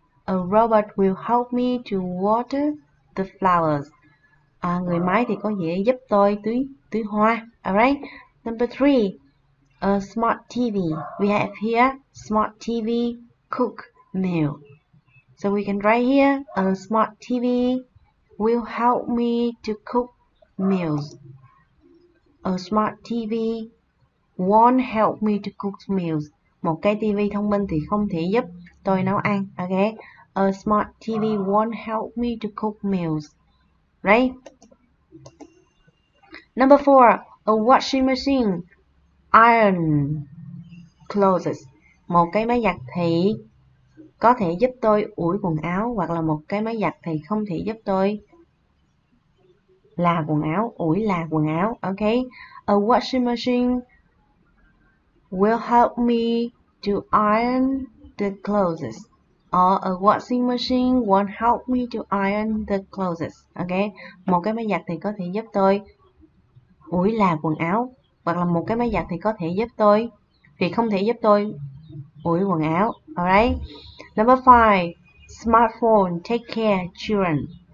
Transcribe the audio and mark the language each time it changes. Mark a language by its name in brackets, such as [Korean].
[English] A robot will help me to water the flowers. [Vietnamese] À, người máy thì có thể giúp tôi tưới hoa. [English] Alright. Number three, a smart TV. We have here smart TV cook meal. So we can write here a smart TV will help me to cook meals. A smart TV won't help me to cook meals. [Vietnamese] Một cái TV thông minh thì không thể giúp tôi nấu ăn. [English] Okay. A smart TV won't help me to cook meals. Right? Number four, a washing machine iron clothes. [Vietnamese] Một cái máy giặt thì có thể giúp tôi ủi quần áo, hoặc là một cái máy giặt thì không thể giúp tôi là quần áo, ủi là quần áo. Okay. [English] A washing machine will help me to iron the clothes. Or a washing machine won't help me to iron the clothes. Okay. [Vietnamese] Một cái máy giặt thì có thể giúp tôi ủi là quần áo, hoặc là một cái máy giặt thì có thể giúp tôi thì không thể giúp tôi ủi quần áo. [English] Alright. Number five, smartphone take care children.